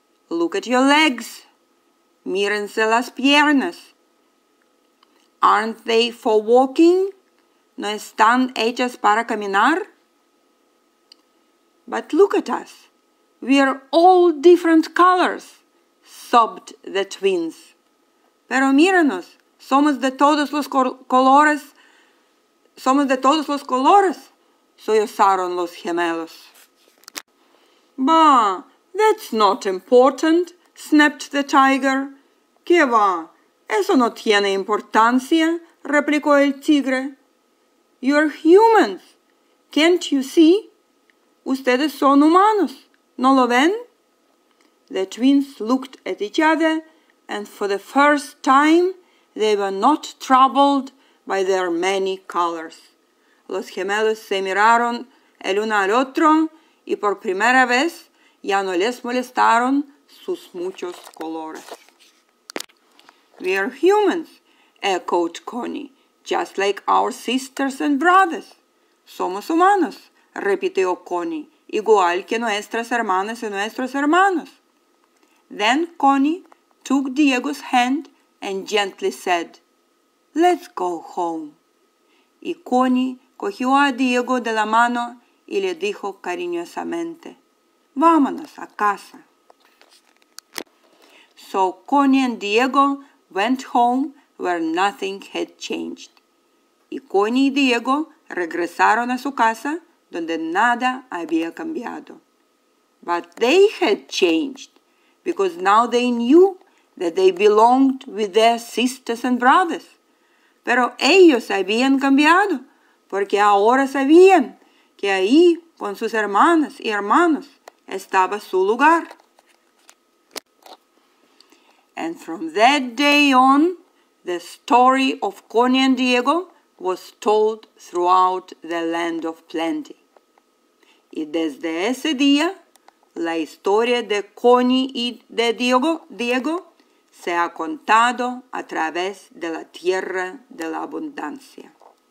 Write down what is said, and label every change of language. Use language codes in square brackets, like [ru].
[en] Look at your legs. [es] Mírense las piernas. [en] Aren't they for walking? [es] ¿No están hechas para caminar? [en] But look at us. We are all different colors, sobbed the twins. [es] Pero míranos, somos de todos los colores, sollozaron los gemelos. [en] Bah, that's not important, snapped the tiger. [es] ¿Qué va? Eso no tiene importancia, replicó el tigre. [en] You're humans, can't you see? [es] Ustedes son humanos. ¿No lo ven? [en] The twins looked at each other, and for the first time, they were not troubled by their many colors. [es] Los gemelos se miraron el uno al otro, y por primera vez ya no les molestaron sus muchos colores. [en] We are humans, echoed Connie, just like our sisters and brothers. [es] Somos humanos, repitió Connie. Igual que nuestras hermanas y nuestros hermanos. [en] Then Connie took Diego's hand and gently said, Let's go home. [es] Y Connie cogió a Diego de la mano y le dijo cariñosamente, Vámonos a casa. [en] So Connie and Diego went home where nothing had changed. [es] Y Connie y Diego regresaron a su casa donde nada había cambiado. [en] But they had changed, because now they knew that they belonged with their sisters and brothers. [es] Pero ellos habían cambiado, porque ahora sabían que ahí, con sus hermanas y hermanos, estaba su lugar. [en] And from that day on, the story of Connie and Diego was told throughout the land of plenty. [es] Y desde ese día, la historia de Connie y de Diego se ha contado a través de la tierra de la abundancia.